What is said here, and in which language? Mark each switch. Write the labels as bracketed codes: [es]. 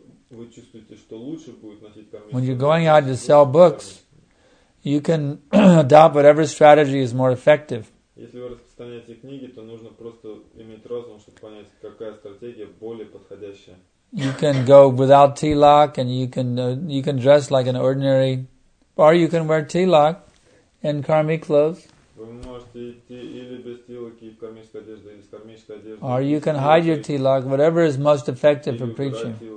[en] When you're going out to sell books, you can adopt whatever strategy is more effective. [ru] Если вы распространяете книги, то нужно просто иметь разум, чтобы понять, какая стратегия более подходящая. [en] You can go without tilak, and you can dress like an ordinary, or you can wear tilak and karmi clothes. [ru] Вы можете идти или без тилаки и в кармической одежде, или с кармической одеждой. [en] Or you can hide your tilak, whatever is most effective for preaching.